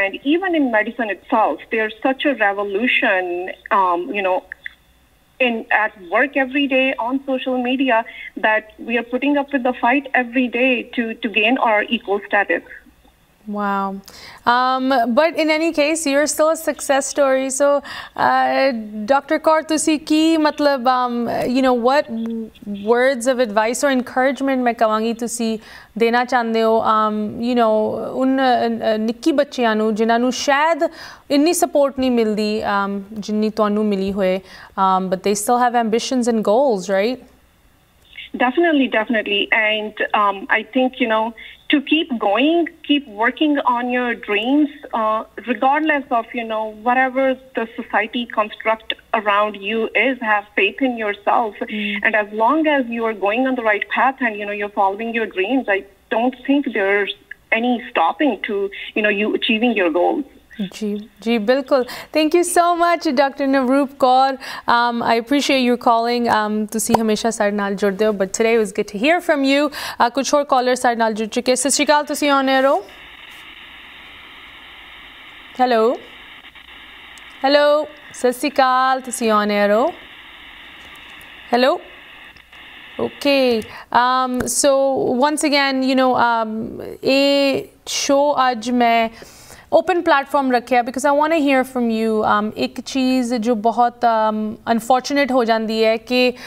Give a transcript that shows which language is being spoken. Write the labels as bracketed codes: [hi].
[en] And even in medicine itself, there's such a revolution, you know, in at work every day on social media that we are putting up with the fight every day to gain our equal status. Wow. But in any case, you're still a success story. So, Dr. [pa] Kaur, ਤੁਸੀ ਕੀ ਮਤਲਬ, [en] you know, what words of advice or encouragement [pa] ਮੈਂ ਕਹਾਂਗੀ ਤੁਸੀ ਦੇਣਾ ਚਾਹੰਦੇ ਹੋ, you know, ਉਨ ਨਿੱਕੀ ਬੱਚੀਆਂ ਨੂੰ ਜਿਨ੍ਹਾਂ ਨੂੰ ਸ਼ਾਇਦ ਇੰਨੀ support ਨਹੀ ਮਿਲਦੀ, ਜਿੰਨੀ ਤੁਹਾਨੂੰ ਮਿਲੀ ਹੋਏ, [en] but they still have ambitions and goals, right? Definitely, definitely. And I think, you know, to keep going, keep working on your dreams, regardless of, you know, whatever the society construct around you is, have faith in yourself. And as long as you are going on the right path and, you know, you're following your dreams, I don't think there's any stopping to, you know, you achieving your goals. [pa] Ji, bilkul. [en] Thank you so much, Dr. Navroop Kaur. I appreciate you calling. [pa] Tusi hamesha saade naal judde ho, [en] but today it was good to hear from you. [pa] ਕੁਝ ਹੋਰ collar ਸਾਡੇ ਨਾਲ ਜੁੜ ਚੁੱਕੇ. ਸਤ ਸ੍ਰੀ ਅਕਾਲ, ਤੁਸੀ on air ਹੋ. Hello. Hello. Sat Sri ਅਕਾਲ, ਤੁਸੀ on air ਹੋ. [en] Hello. Okay. So once again, you know, a show [hi] aaj main [en] open platform [hi] रखे है [en] because I want to hear from you [hi] एक चीज़ जो बहुत [en] unfortunate [hi] हो जाती है कि